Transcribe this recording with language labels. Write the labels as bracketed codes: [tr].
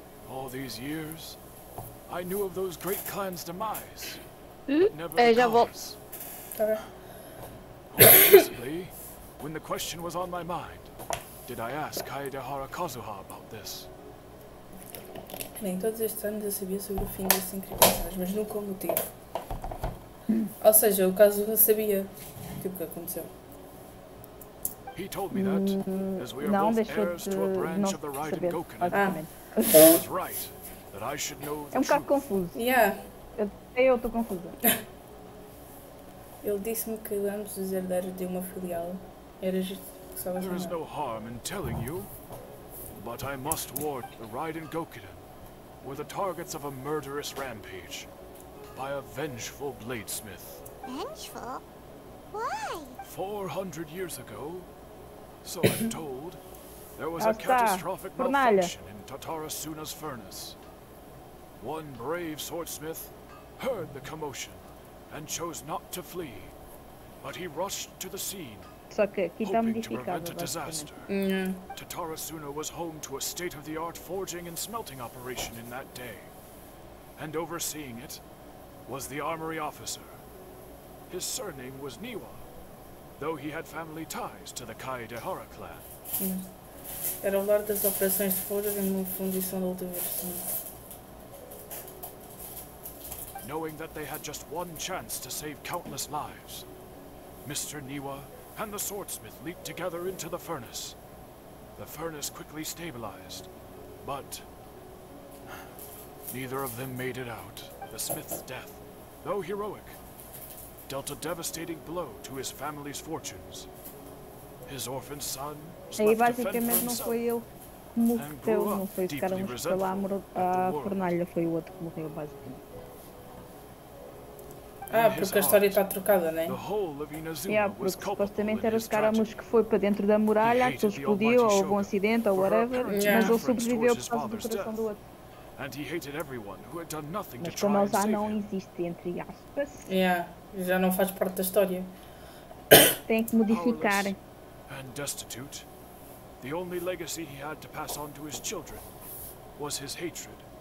[en] All these years, I knew of those great clans' demise, but never theirs. Obviously, when the question was on my mind, did I ask Kaede Harakazuha about this? [pt] Bem, todos estes anos eu sabia sobre o fim das incrivelidades, mas nunca o motivo. Ou seja, o caso eu sabia tipo, o que aconteceu. [en] He told me that, as we are [pt] não, [en] both heirs to a branch of the Raiden Gokuden. Ah, he was right, that I should know the truth. [pt] Um bocado confuso. [en] Yeah. [pt] Eu estou confusa. Ele disse-me que ambos os herdeiros de uma filial. Era justo que [en] there is no harm in telling you, but I must warn the Raiden Gokuden were the targets of a murderous rampage by a vengeful bladesmith. Vengeful? Why? 400 years ago, so I'm told, there was a catastrophic malfunction in Tatarasuna's furnace. One brave swordsmith heard the commotion and chose not to flee, but he rushed to the scene, hoping to prevent a disaster. Tatarasuna was home to a state-of-the-art forging and smelting operation in that day, and overseeing it was the armory officer. His surname was Niwa, though he had family ties to the Kaede Hara clan. [pt] Era o lar das operações de forja e uma fundição da última versão. [en] knowing that they had just one chance to save countless lives. Mr. Niwa and the swordsmith leaped together into the furnace. The furnace quickly stabilized, but neither of them made it out. The smith's death, though heroic, dealt a devastating blow to his family's fortunes. His orphan son [pt] porque a história está trocada, né? Porque supostamente era o Scaramouche que foi para dentro da muralha, que explodiu, ou houve um acidente, ou whatever, mas ele sobreviveu por causa do coração do outro. [en] And he hated everyone who had done nothing to try and save him. [pt] Já não faz parte da história. Tem que modificar. [en] And destitute, the only legacy he had to pass on to his children was his hatred.